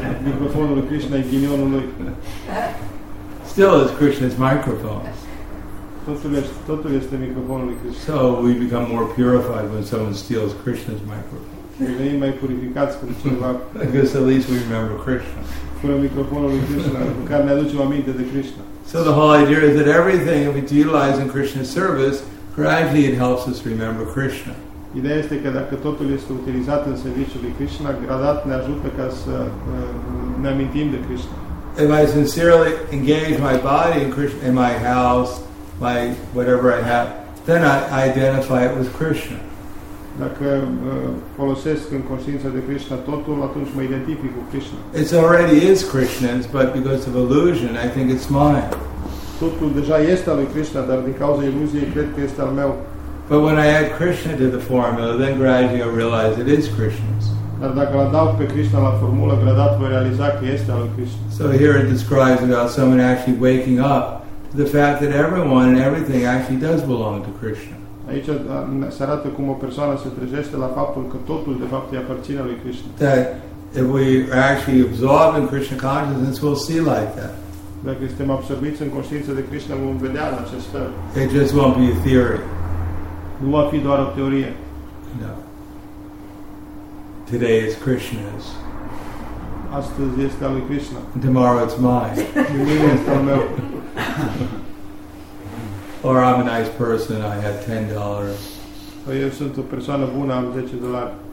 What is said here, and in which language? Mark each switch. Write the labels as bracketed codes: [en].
[ro] Microfonul lui Krishna e ghinionul lui. [en] Still it's Krishna's microphone. [ro] Totul este microfonul lui Krishna. [en] So we become more purified when someone steals Krishna's microphone. [ro] Devenim mai purificați când cineva. [en] I guess at least we remember Krishna. [ro] Fură microfonul lui Krishna, măcar ne aducem aminte de Krishna. [en] So the whole idea is that everything we utilize in Krishna's service, gradually it helps us remember Krishna. [ro] Ideea este că dacă totul este utilizat în serviciul lui Krishna, gradat ne ajută ca să ne amintim de Krishna. [en] If I sincerely engage my body in Krishna, in my house, my whatever I have, then I identify it with Krishna. [ro] Dacă folosesc în conștiința de Krishna totul, atunci mă identific cu Krishna. [en] It already is Krishna's, but because of illusion, I think it's mine. [ro] Totul deja este al lui Krishna, dar din cauza iluziei cred că este al meu. [en] But when I add Krishna to the formula, then gradually I realize it is Krishna's. [ro] Dar dacă adaug pe Krishna la formulă, gradat voi realiza că este al lui Krishna. [en] So here it describes about someone actually waking up to the fact that everyone and everything actually does belong to Krishna. [ro] Aici se arată cum o persoană se trezește la faptul că totul de fapt îi aparține lui Krishna. [en] That if we are actually absorbed in Krishna consciousness, we'll see like that. [ro] Dacă suntem absorbiți în conștiința de Krishna, vom vedea în acest fel. [en] It just won't be a theory. [ro] Nu va fi doar o teorie. [en] No. Today is Krishna's. [ro] Astăzi este al lui Krishna. [en] And tomorrow it's mine. [ro] Mâine este al meu. [en] Or I'm a nice person, I have $10. [ro] Or eu sunt o persoană bună, am $10.